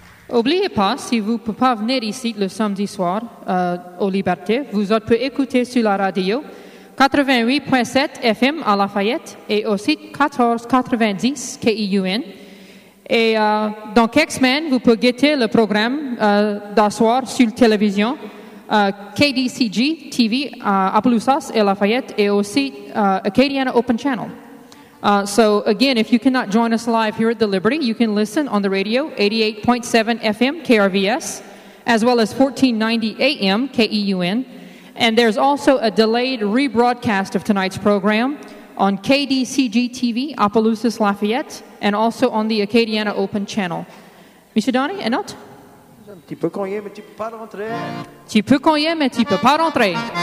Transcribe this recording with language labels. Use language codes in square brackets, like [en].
[fr] N'oubliez pas, si vous ne pouvez pas venir ici le samedi soir aux Libertés, vous pouvez écouter sur la radio 88.7 FM à Lafayette et aussi 1490 KEUN. Et dans quelques semaines, vous pouvez guetter le programme d'asseoir sur la télévision KDCG TV à Appaloosas et Lafayette et aussi Acadiana Open Channel. [en] So again, if you cannot join us live here at the Liberty, you can listen on the radio, 88.7 FM KRVS, as well as 1490 AM KEUN. And there's also a delayed rebroadcast of tonight's program on KDCG-TV, Opelousas Lafayette, and also on the Acadiana Open Channel. [fr] Monsieur Donny, un autre? Tu peux cogner, mais tu peux pas rentrer. Tu peux cogner, mais tu peux pas rentrer.